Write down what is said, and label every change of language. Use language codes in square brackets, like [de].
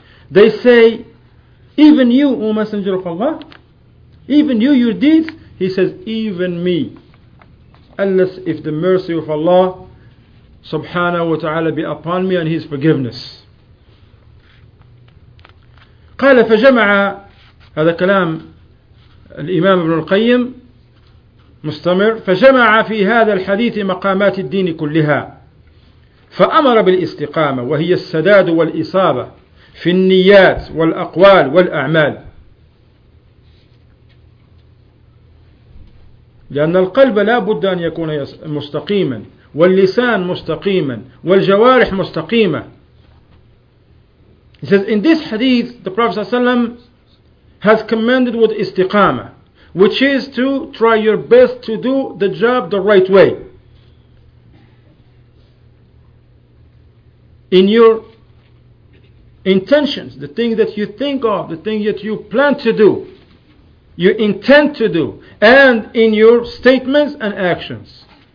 [en] They say, even you, O Messenger of Allah, even you, your deeds, he says, even me. Unless if the mercy of Allah subhanahu wa ta'ala be upon me and his forgiveness. [ar] قال فجمع هذا كلام الإمام ابن القيم مستمر فجمع في هذا الحديث مقامات الدين كلها فأمر بالاستقامة وهي السداد والإصابة في النيات والأقوال والأعمال لأن القلب لا بد أن يكون مستقيما واللسان مستقيما والجوارح مستقيمة. [en] He says, in this hadith, the Prophet ﷺ has commanded with istiqama, which is to try your best to do the job the right way. In your intentions, the thing that you think of, the thing that you plan to do, you intend to do, and in your statements and actions.